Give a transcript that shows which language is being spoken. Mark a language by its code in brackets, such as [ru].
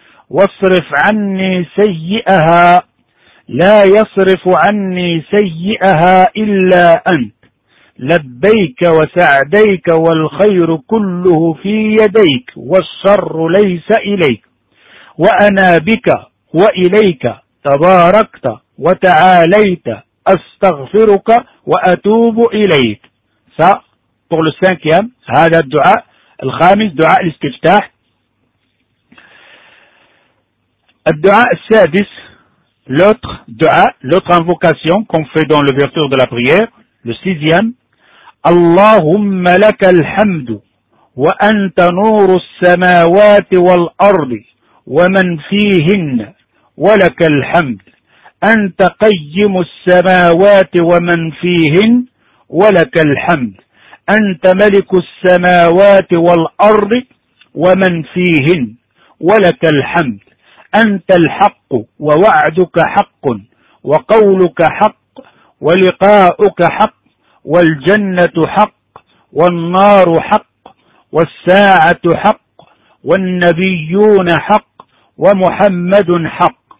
[ar] واصرف عني سيئها لا يصرف عني سيئها إلا أنت لبيك وسعديك والخير كله في يديك والشر ليس إليك وأنا بك وإليك تباركت وتعاليت أستغفرك وأتوب إليك. [fr] ça pour le cinquième. [ar] هذا الدعاء الخامس دعاء الاستفتاح. الدعاء السادس [fr] l'autre invocation qu'on fait dans l'ouverture de la prière. le sixième. [ar] اللهم لك الحمد وأنت نور السماوات والأرض ومن فيهن ولك الحمد أنت قيم السماوات ومن فيهن ولك الحمد أنت ملك السماوات والأرض ومن فيهن ولك الحمد أنت الحق ووعدك حق وقولك حق ولقاؤك حق والجنة حق والنار حق والساعة حق والنبيون حق ومحمد حق